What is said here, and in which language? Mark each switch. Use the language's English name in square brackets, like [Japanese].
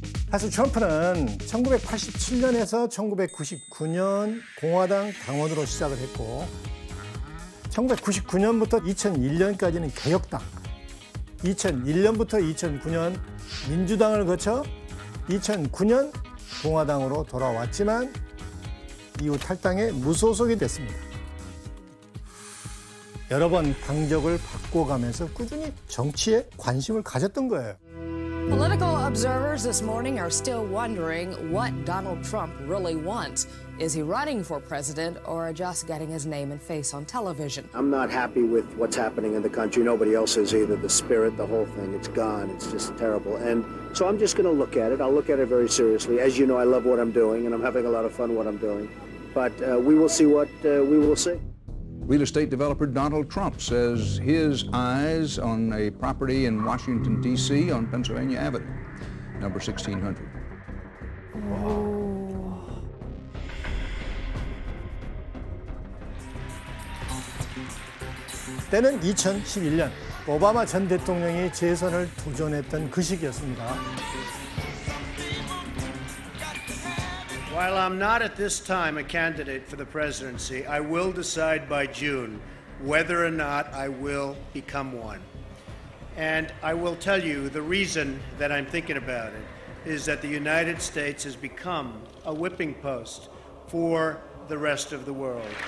[Korean] 사실 트럼프는 1987년에서 1999년 공화당 당원으로 시작을 했고 1999년부터 2001년까지는 개혁당, 2001년부터 2009년 민주당을 거쳐 2009년 공화당으로 돌아왔지만 이후 탈당해 무소속이 됐습니다. 여러 번 당적을 바꿔가면서 꾸준히 정치에 관심을 가졌던 거예요. [English] Political observers this morning are still wondering what Donald Trump really wants. Is he running for president or just getting his name and face on television? I'm not happy with what's happening in the country. Nobody else is either. The spirit, the whole thing, it's gone. It's just terrible. And so I'm just going to look at it. I'll look at it very seriously. As you know, I love what I'm doing and I'm having a lot of fun what I'm doing. But we will see what we will see. Real estate developer Donald Trump says his eyes on a property in Washington, D.C. on Pennsylvania Avenue, number 1600. Wow. [Korean] 때는 2011년, 오바마 전 대통령이 재선을 도전했던 그 시기였습니다. [English] While I'm not at this time a candidate for the presidency, I will decide by June whether or not I will become one. And I will tell you the reason that I'm thinking about it is that the United States has become a whipping post for the rest of the world.